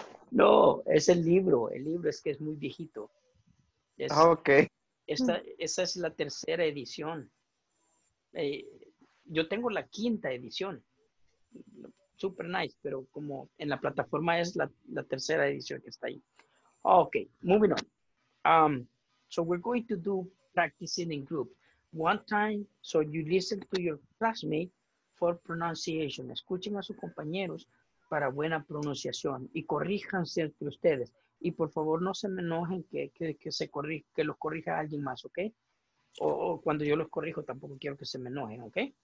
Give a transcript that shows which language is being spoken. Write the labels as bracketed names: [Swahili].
[Spanish] No, es el libro. El libro es que es muy viejito. Es, okay. Esa es la tercera edición. Yo tengo la quinta edición. Super nice, pero como en la plataforma es la tercera edición que está ahí. [English] Okay, moving on. So we're going to do practicing in group. One time, so you listen to your classmate for pronunciation. [Spanish] Escuchen a sus compañeros para buena pronunciación y corríjanse entre ustedes. Y por favor, no se me enojen que los corrija alguien más, ¿ok? O cuando yo los corrijo, tampoco quiero que se me enojen, ¿ok?